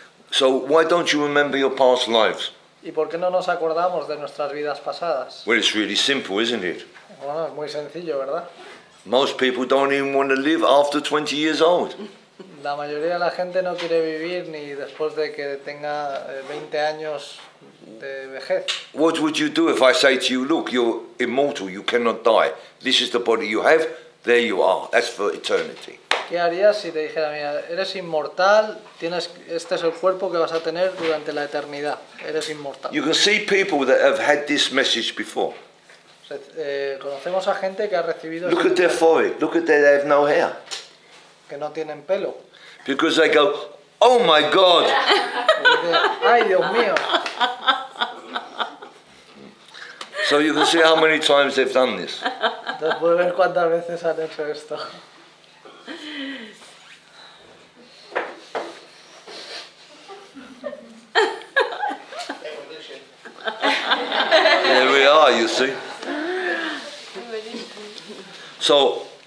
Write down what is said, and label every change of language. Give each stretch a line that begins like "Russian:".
English: So why don't you remember your past lives?
Spanish: ¿Y por qué no nos acordamos de nuestras vidas pasadas?
English: Well, it's really simple, isn't it?
Spanish: Bueno, es muy sencillo, ¿verdad?
English: Most people don't even want to live after 20 years old.
Spanish: La mayoría de la gente no quiere vivir ni después de que tenga 20 años de vejez.
English: What would you do if I say to you, look, you're immortal, you cannot die. This is the body you have, there you are. That's for eternity.
Spanish: ¿Qué harías si te dijera, mira, eres inmortal, tienes, este es el cuerpo que vas a tener durante la eternidad, eres inmortal?
English: You can see people that have had this message before.
Spanish: Conocemos a gente que ha recibido...
English: Look at their forehead, look at their, they have no hair.
Spanish: Que no tienen pelo.
English: Because they go, oh my God.
Spanish: Ay, Dios mío.
English: So you can see how many times they've done this.
Spanish: Entonces puedes ver cuántas veces han hecho esto.
English: There we are, you see. So,